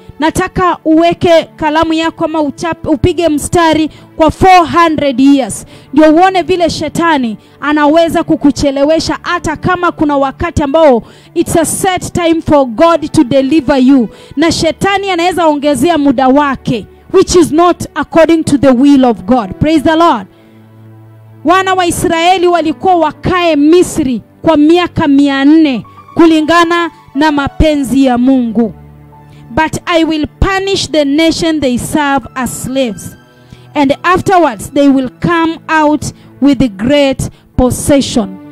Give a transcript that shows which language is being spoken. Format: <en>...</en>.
<sw>Nataka uweke kalamu yako ama upige mstari kwa</sw> <en>400 years.</en> <sw>Ndio uone vile shetani anaweza kukuchelewesha hata kama kuna wakati ambao</sw> <en>it's a set time for God to deliver you.</en> <sw>Na shetani anaweza ongezea muda wake,</sw> <en>which is not according to the will of God. Praise the Lord.</en> <sw>Wana wa Israeli walikuwa wakae Misri kwa miaka 400 kulingana na mapenzi ya Mungu.</sw> <en>But I will punish the nation they serve as slaves. And afterwards they will come out with a great possession.</en>